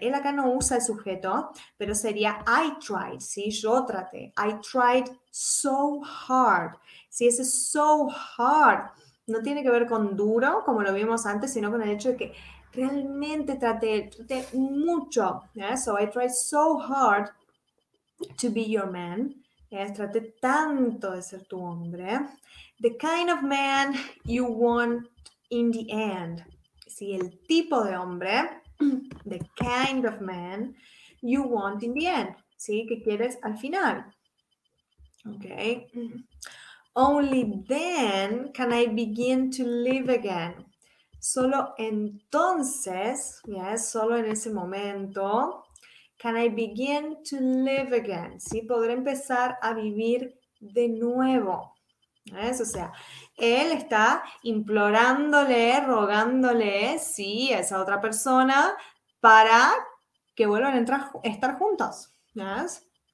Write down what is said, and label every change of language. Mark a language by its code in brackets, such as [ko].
[es] Él acá no usa el sujeto, pero sería [en] I tried, [es] ¿sí? Yo traté. [en] I tried so hard. [es] ¿Sí? Ese so hard no tiene que ver con duro, como lo vimos antes, sino con el hecho de que realmente traté mucho. ¿Sí? [en] So I tried so hard to be your man. ¿Sí? [es] Traté tanto de ser tu hombre. [en] The kind of man you want in the end. [es] ¿Sí? El tipo de hombre, [en] the kind of man you want in the end, [es] ¿sí? Que quieres al final. Okay. [en] Only then can I begin to live again. [es] Solo entonces, yes, solo en ese momento, [en] can I begin to live again, [es] ¿sí? Podré empezar a vivir de nuevo. ¿Ves? O sea, él está implorándole, rogándole, sí, a esa otra persona para que vuelvan a entrar, estar juntos. ¿Ves?